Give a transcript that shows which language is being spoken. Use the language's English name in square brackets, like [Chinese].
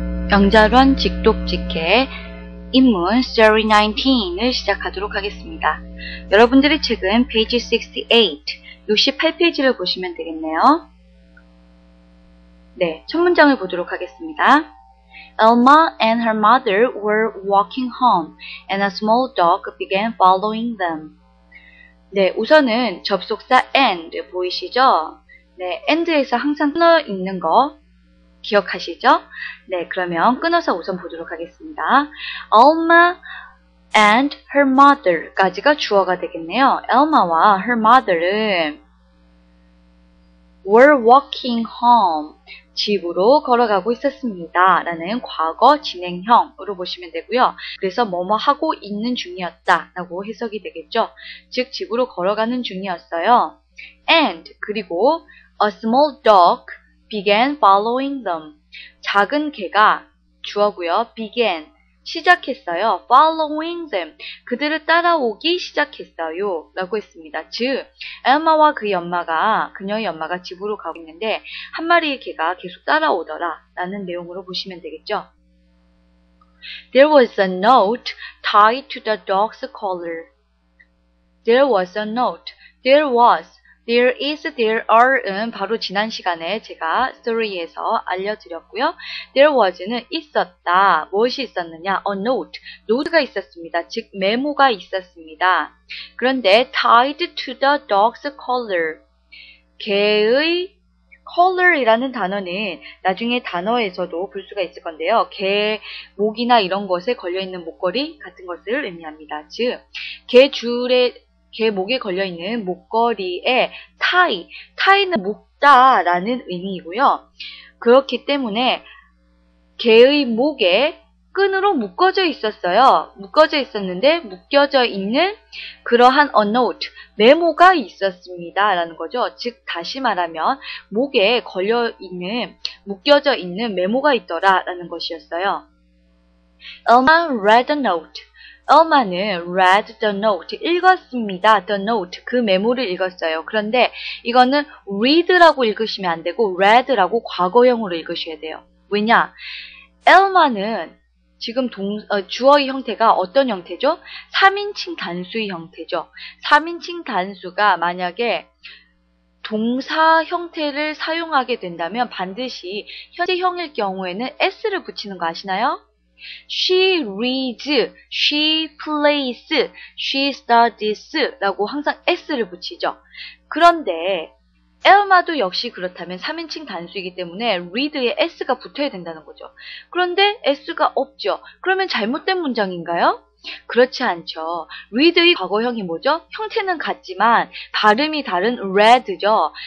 [Korean] 명절원 직독직해 입문 Story 19을 시작하도록 하겠습니다. 여러분들의 책은 페이지 68, 68페이지를 보시면 되겠네요. 네, 첫 문장을 보도록 하겠습니다. [English] Elma and her mother were walking home, and a small dog began following them. [Korean] 네, 우선은 접속사 and 보이시죠? 네, and에서 항상 끊어 있는 거 기억하시죠? 네, 그러면 끊어서 우선 보도록 하겠습니다. [English] Elma and her mother까지가 [Korean] 주어가 되겠네요. [English] Elma와 her mother은 were walking home. [Korean] 집으로 걸어가고 있었습니다. 라는 과거 진행형으로 보시면 되고요. 그래서 뭐뭐 하고 있는 중이었다 라고 해석이 되겠죠. 즉 집으로 걸어가는 중이었어요. [English] And 그리고 a small dog began following them. [Korean] 작은 개가 주어고요. began 시작했어요. [English] following them [Korean] 그들을 따라오기 시작했어요 라고 했습니다. 즉 엘마와 그녀의 엄마가 집으로 가고 있는데 한 마리의 개가 계속 따라오더라 라는 내용으로 보시면 되겠죠. [English] There was a note tied to the dog's collar. There was a note. There was. There is, there are은 [Korean] 바로 지난 시간에 제가 스토리에서 알려드렸고요. There was는 있었다. 무엇이 있었느냐? A note. 노트가 있었습니다. 즉 메모가 있었습니다. [English] 그런데 tied to the dog's collar. [Korean] 개의 collar이라는 단어는 나중에 단어에서도 볼 수가 있을 건데요. 개 목이나 이런 것에 걸려있는 목걸이 같은 것을 의미합니다. 즉 개 줄에 개 목에 걸려있는 목걸이에 tie는 묶다 라는 의미이고요. 그렇기 때문에 개의 목에 끈으로 묶어져 있었어요. 묶어져 있었는데 묶여져 있는 그러한 a note, 메모가 있었습니다 라는 거죠. 즉 다시 말하면 목에 걸려있는 묶여져 있는 메모가 있더라 라는 것이었어요. [English] Elma read a note. [Korean] Elma는 read the note, 읽었습니다. The note, 그 메모를 읽었어요. 그런데 이거는 read라고 읽으시면 안 되고 read라고 과거형으로 읽으셔야 돼요. 왜냐? Elma는 지금 주어의 형태가 어떤 형태죠? 3인칭 단수의 형태죠. 3인칭 단수가 만약에 동사 형태를 사용하게 된다면 반드시 현재형일 경우에는 s를 붙이는 거 아시나요? [English] She reads, she plays, she studies [Korean] 라고 항상 S를 붙이죠. 그런데 엘마도 역시 그렇다면 3인칭 단수이기 때문에 read에 S가 붙어야 된다는 거죠. 그런데 S가 없죠. 그러면 잘못된 문장인가요? 그렇지 않죠. read의 과거형이 뭐죠? 형태는 같지만 발음이 다른 read죠.